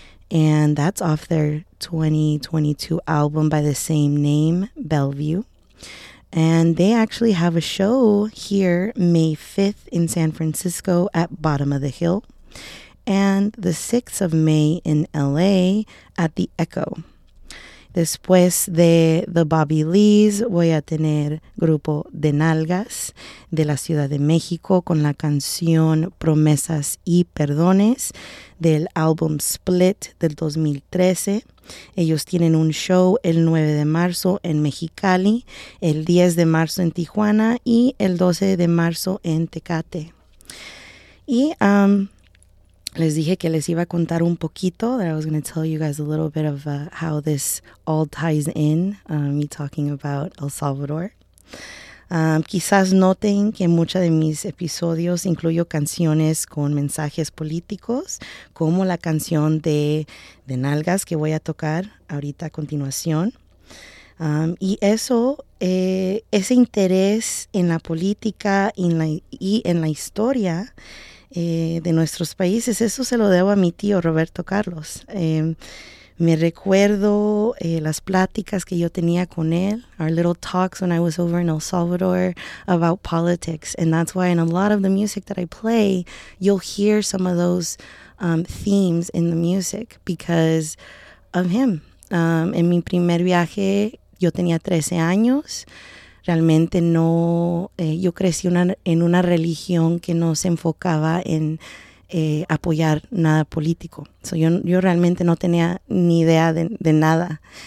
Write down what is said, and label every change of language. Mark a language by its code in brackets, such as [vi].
[en] And that's off their 2022 album by the same name, Bellevue. And they actually have a show here May 5th in San Francisco at Bottom of the Hill. And the 6th of May in LA at the Echo. [es] Después de The Bobby Lees, voy a tener Grupo de Nalgas de la Ciudad de México con la canción Promesas y Perdones del álbum Split del 2013. Ellos tienen un show el 9 de marzo en Mexicali, el 10 de marzo en Tijuana y el 12 de marzo en Tecate. Y les dije que les iba a contar un poquito, [en] that I was going to tell you guys a little bit of how this all ties in, me talking about El Salvador. [es] Quizás noten que mucha de mis episodios incluyo canciones con mensajes políticos, como la canción de Nalgas que voy a tocar ahorita a continuación. Y eso, ese interés en la política y en la historia de nuestros países, eso se lo debo a mi tío Roberto Carlos. Me recuerdo las pláticas que yo tenía con él, [en] our little talks when I was over in El Salvador about politics, and that's why in a lot of the music that I play, you'll hear some of those themes in the music because of him. [es] En mi primer viaje, yo tenía 13 años. Realmente no, yo crecí en una religión que no se enfocaba en apoyar nada político. So yo realmente no tenía ni idea de nada.